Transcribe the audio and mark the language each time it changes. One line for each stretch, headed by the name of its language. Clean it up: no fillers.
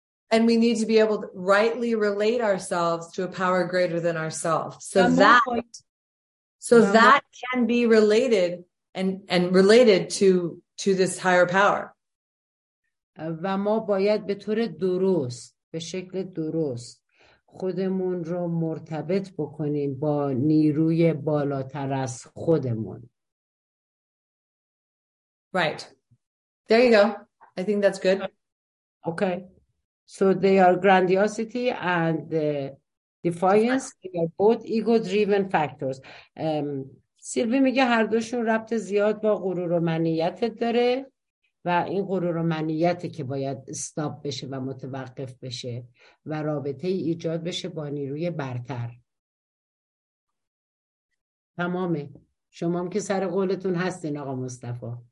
English: And we need to be able to rightly relate ourselves to a power greater than ourselves. So that can be related and related to this higher power.
Persian: و ما باید به طور درست به شکل درست خودمون رو مرتبط بکنیم با نیروی بالاتر از خودمون.
English: Right. There you go. I think that's good. Okay. So they are grandiosity and defiance, they are both ego-driven factors.
Persian: سیلوی میگه هر دوشون ربط زیاد با غرور و منیت داره و این غرور و منیته که باید استاپ بشه و متوقف بشه و رابطه ای ایجاد بشه با نیروی برتر. تمامه. شما هم که سر قولتون هستین آقا مصطفی.